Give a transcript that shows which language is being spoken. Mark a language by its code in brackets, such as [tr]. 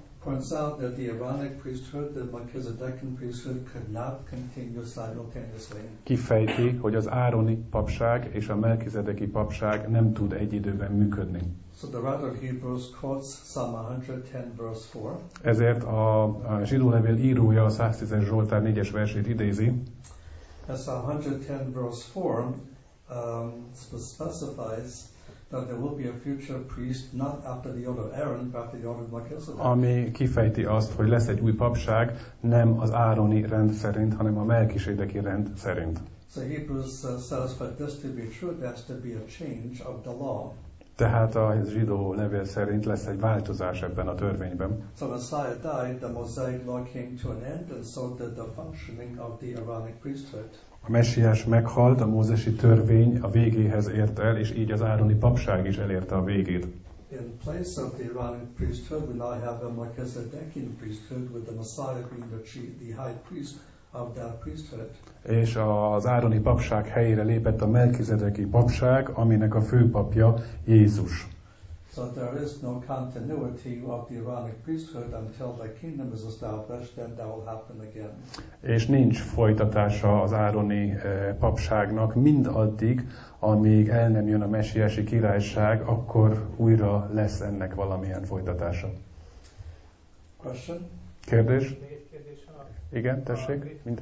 [en] Points out that the Aaronic priesthood, the Melchizedekian priesthood could not continue simultaneously. [hu] Kifejti, hogy az Aaroni papság és a Melchizedeki papság nem tud egy időben működni. [en] So the writer of Hebrews quotes Psalm 110 verse 4. [hu] Ezért a zsidó levél írója a 110-es Zsoltár 4-es versét idézi. [en] As 110 verse 4 specifies that there will be a future priest not after the order of Aaron but after the order of Melchizedek. [hu] Ami kifejti azt, hogy lesz egy új papság, nem az Aaroni rend szerint, hanem a Melchizedeki rend szerint. [en] So Hebrews says for this to be true there has to be a change of the law. [hu] Tehát a zsidó levél szerint lesz egy változás ebben a törvényben. [en] So the Messiah died, the Mosaic law came to an end and so did the functioning of the Aaronic priesthood. [hu] A Messiás meghalt, a mózesi törvény a végéhez ért el, és így az Aaroni papság is elérte a végét. [en] In place of the Aaronic priesthood, we now have a Melchizedekian priesthood, with the Messiah being the high priest of that priesthood. [hu] És az Aaroni papság helyére lépett a Melchizedeki papság, aminek a főpapja Jézus. [en] So there is no continuity of the Aaronic priesthood until the kingdom is established, then that will happen again. [hu] És nincs folytatása az Aaroni papságnak mindaddig, amíg el nem jön a messiási királyság, akkor újra lesz ennek valamilyen folytatása. [en] Question? [hu] Kérdés? Még egy kérdés van. Igen, tessék.